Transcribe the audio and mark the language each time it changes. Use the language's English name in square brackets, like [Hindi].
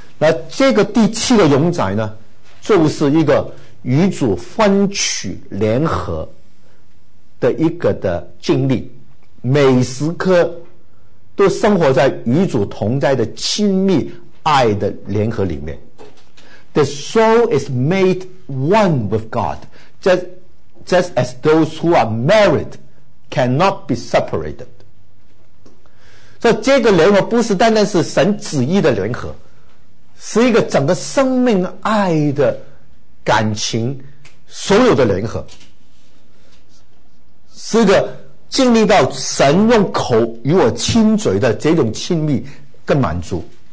[Chinese] 那这个第七个永载呢，就是一个与主分取联合的一个的经历，每时刻都生活在与主同在的亲密爱的联合里面。 [English] The soul is made one with God, just as those who are married cannot be separated. [Chinese] 所以这个联合不是单单是神旨意的联合，是一个整个生命爱的感情所有的联合，是一个经历到神用口与我亲嘴的这种亲密跟满足。